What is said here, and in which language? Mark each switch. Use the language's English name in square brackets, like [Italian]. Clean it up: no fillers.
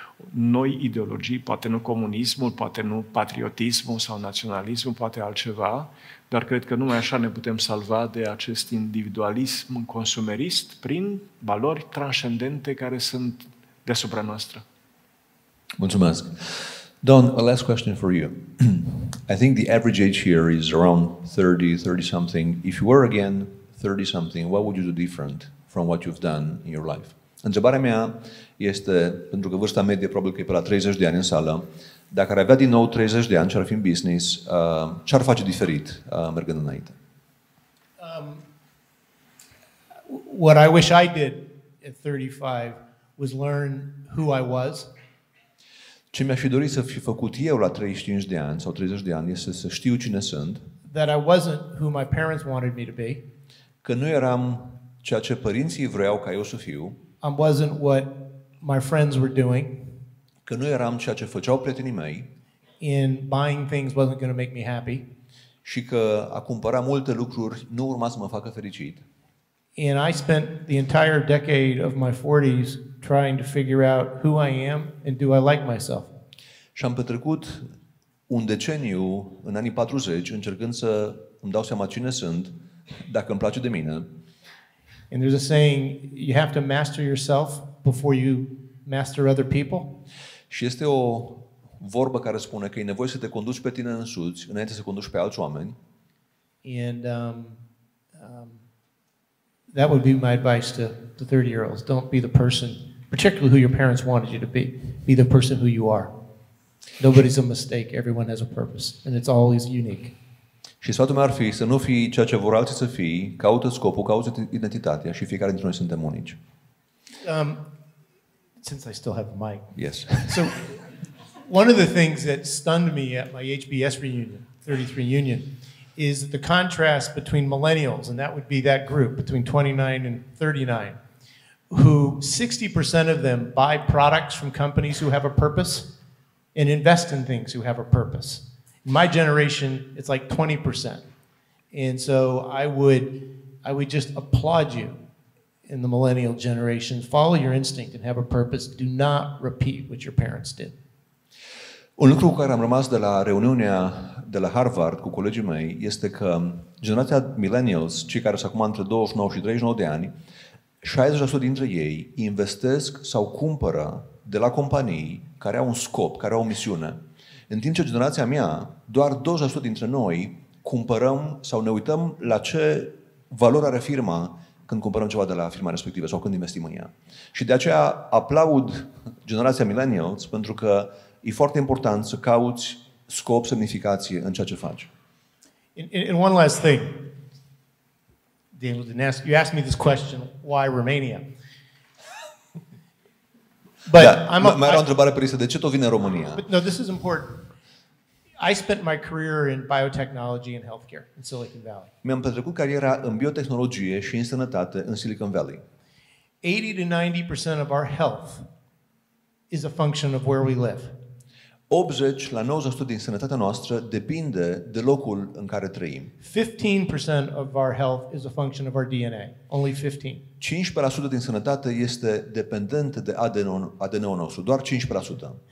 [Romanian] noi ideologii, poate nu comunismul, poate nu patriotismul sau naționalismul, poate altceva, dar cred că numai așa ne putem salva de acest individualism consumerist prin valori transcendente care sunt deasupra noastră. Mulțumesc. [English] Don, a last question for you. I think the average age here is around 30-something. If you were again 30-something, what would you do different from what you've done in your life? [Romanian] Întrebarea mea este, pentru că vârsta medie probabil că e pe la 30 de ani în sală, dacă ar avea din nou 30 de ani și ar fi în business, ce ar face diferit mergând înainte? [English] What I wish I did at 35 was learn who I was. [Romanian] Ce mi-aș fi dorit să fi făcut eu la 35 de ani sau 30 de ani este să știu cine sunt. [English] That I wasn't who my parents wanted me to be. [Romanian] Că nu eram ceea ce părinții vreau ca eu să fiu. [English] I wasn't what my friends were doing. [Romanian] Că nu eram ceea ce făceau prietenii mei. [English] And buying things wasn't going to make me happy. [Romanian] Și că a cumpăra multe lucruri nu urma să mă facă fericit. [English] And I spent the entire decade of my 40s trying to figure out who I am and do I like myself. [Romanian] Și am petrecut un deceniu în anii 40 încercând să îmi dau seama cine sunt, dacă îmi place de mine. [English] And there's a saying, you have to master yourself before you master other people. [Romanian] Și este o vorbă care spune că e nevoie să te conduci pe tine însuți înainte să conduci pe alți oameni. [English] And that would be my advice to the 30-year-olds. Don't be the person, particularly who your parents wanted you to be. Be the person who you are. Nobody's a mistake. Everyone has a purpose. And it's always unique. [Romanian] Și sfatul meu ar fi să nu fii ceea ce vor alții să fii, caută scopul, caută identitatea și fiecare dintre noi suntem unici. [English] Since I still have a mic. Yes. So, one of the things that stunned me at my HBS reunion, 33 reunion, is the contrast between millennials, and that would be that group between 29 and 39, who 60% of them buy products from companies who have a purpose and invest in things who have a purpose. My generation, it's like 20%. And so I would just applaud you in the millennial generation. Follow your instinct and have a purpose. Do not repeat what your parents did. [Romanian] Un lucru cu care am rămas de la reuniunea de la Harvard cu colegii mei este că generația millennials, cei care sunt acum între 29 și 39 de ani, 60% dintre ei investesc sau cumpără de la companii care au un scop, care au o misiune. În timp ce generația mea, doar 20% dintre noi cumpărăm sau ne uităm la ce valoare are firma când cumpărăm ceva de la firma respectivă sau când investim în ea. Și de aceea aplaud generația millennials pentru că e foarte important să cauți scop, semnificație în ceea ce faci. [English] And one last thing. Daniel didn't ask, you asked me this question, why Romania? But da, I'm a, [Romanian] mai era o întrebare pe listă, de ce tot vine în România? [English] But no, this is important. I spent my career in biotechnology and healthcare in Silicon Valley. [Romanian] Mi-am petrecut cariera în biotehnologie și în sănătate în Silicon Valley. [English] 80 to 90% of our health is a function of where we live. [Romanian] 80 la 90% din sănătatea noastră depinde de locul în care trăim. [English] 15% of our health is a function of our DNA. Only 15. [Romanian] 15% din sănătate este dependentă de ADN-ul nostru, doar 15%.